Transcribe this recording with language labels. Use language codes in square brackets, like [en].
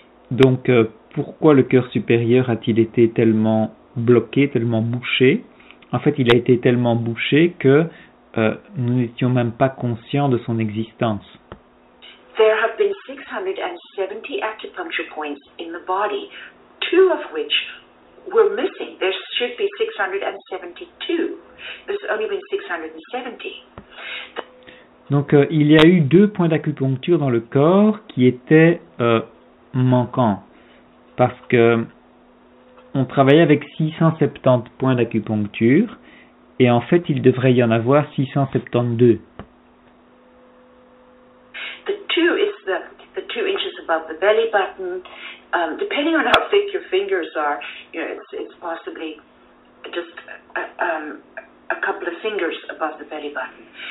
[fr] Donc pourquoi le cœur supérieur a-t-il été tellement bloqué, tellement bouché? En fait, il a été tellement bouché que nous n'étions même pas conscients de son existence. [en] There have been 670 acupuncture points in the body, two of which were missing. There should be 672. There's only been 670. [fr] Donc, il y a eu deux points d'acupuncture dans le corps qui étaient manquants. Parce que on travaillait avec 670 points d'acupuncture. Et en fait, il devrait y en avoir 672. [en] The two is the 2 inches above the belly button. Depending on how thick your fingers are, you know, it's possibly just a couple of fingers above the belly button.